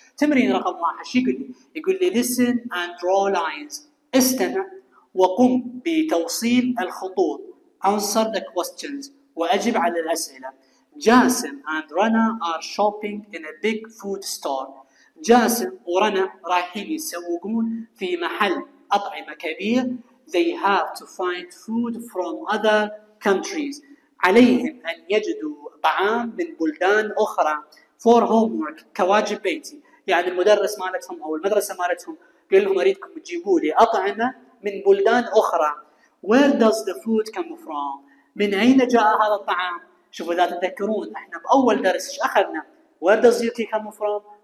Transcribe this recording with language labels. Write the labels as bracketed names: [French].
[Arabic] تمرين رقم واحد شو يقول لي؟ يقول لي [English] listen and draw lines، [Arabic] استمع وقم بتوصيل الخطوط. [English] answer the questions [Arabic] واجب على الاسئله. [English] Jasim and Rana are shopping in a big food store. [Arabic] جاسم ورنا رايحين يسوقون في محل اطعمه كبير. [English] They have to find food from other countries. [Arabic] عليهم ان يجدوا طعام من بلدان اخرى. [English] For homework [Arabic] كواجب بيتي. يعني المدرس مالتهم او المدرسه مالتهم قال لهم اريدكم تجيبوا لي اطعمه من بلدان اخرى. [English] Where does the food come from? [Arabic] من اين جاء هذا الطعام؟ شوفوا اذا تذكرون احنا باول درس ايش اخذنا؟ [English] Where does Yuki come from?